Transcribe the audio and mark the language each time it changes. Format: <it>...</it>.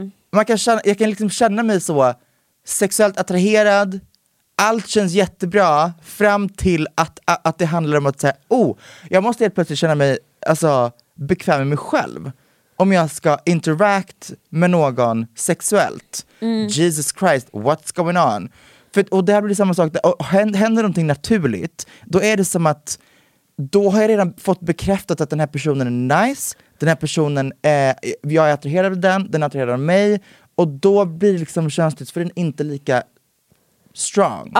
<sv>Man kan känna, jag kan liksom känna mig så sexuellt attraherad. Allt känns jättebra fram till att det handlar om att säga oh, jag måste helt plötsligt känna mig alltså bekväm med mig själv om jag ska interact med någon sexuellt.</sv> <en>Jesus Christ, what's going on?</en> <sv>För, och det här blir samma sak, och händer någonting naturligt, då är det som att då har jag redan fått bekräftat att den här personen är nice. Den här personen, jag är attraherad av den. Den attraherar av mig. Och då blir liksom könsdysforin inte lika strong.</sv>